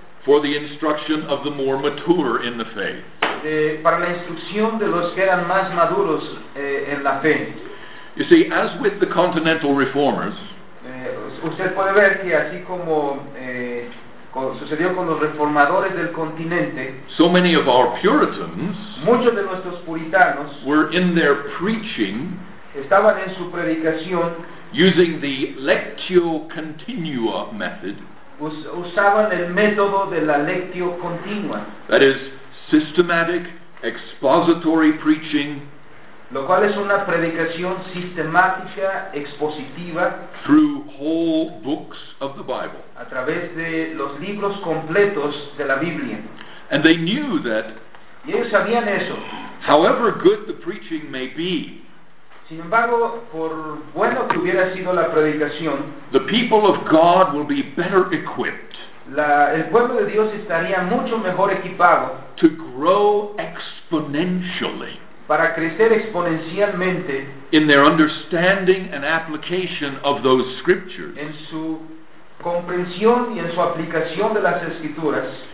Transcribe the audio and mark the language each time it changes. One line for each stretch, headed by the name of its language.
English: For the instruction of the more mature in the faith.
Spanish: Para la instrucción de los que eran más maduros en la fe.
English: You see, as with the continental reformers.
Spanish: Usted puede ver que así como sucedió con los reformadores del continente.
English: So many of our Puritans.
Spanish: Muchos de nuestros puritanos.
English: Were in their preaching.
Spanish: Estaban en su predicación.
English: Using the lectio continua method.
Spanish: Usaban el método de la lectio continua.
English: That is systematic expository preaching.
Spanish: Lo cual es una predicación sistemática expositiva.
English: Through whole books of the Bible.
Spanish: A través de los libros completos de la Biblia.
English: And they knew that.
Spanish: Y ellos sabían eso.
English: However good the preaching may be.
Spanish: Sin embargo, por bueno que hubiera sido la predicación.
English: The people of God will be better equipped.
Spanish: El pueblo de Dios estaría mucho mejor equipado.
English: To grow exponentially.
Spanish: Para crecer exponencialmente
English: in their understanding and application of those scriptures,
Spanish: en su comprensión y en su aplicación de las escrituras,